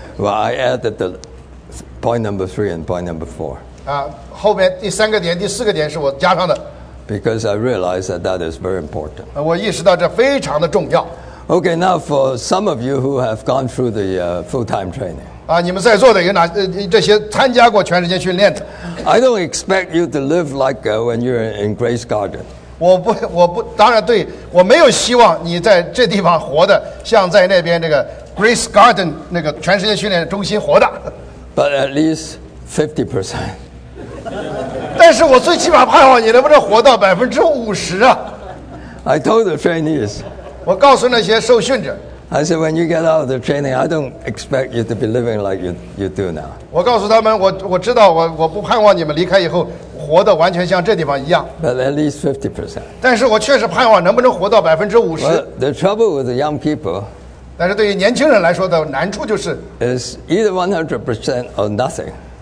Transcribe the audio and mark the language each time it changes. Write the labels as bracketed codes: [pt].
[en] Well, I added the point number three and point number four. [zh] 后面第三个点、第四个点是我加上的。 [en] Because I realized that that is very important. [zh] 我意识到这非常的重要。 [en] Okay, now for some of you who have gone through the full-time training. [zh] 你们在座的有哪这些参加过全时间训练的 [en] ？I don't expect you to live like when you're in Grace Garden. [zh] 我不，当然对我没有希望你在这地方活的像在那边这个 Grace Garden 那个全时间训练中心活的。 [en] But at least 50%. [zh] 但是我最起码盼望你能不能活到50%啊 [en] ！I told the trainees. [zh] 我告诉那些受训者 [en] I said when you get out of the training I don't expect you to be living like you do now [zh] 我告诉他们 我知道 我不盼望你们离开以后活得完全像这地方一样 [en] But at least 50% [zh] 但是我确实盼望能不能活到50% [en] well, The trouble with the young people [zh] 但是对于年轻人来说的难处就是 [en] Is either 100% or nothing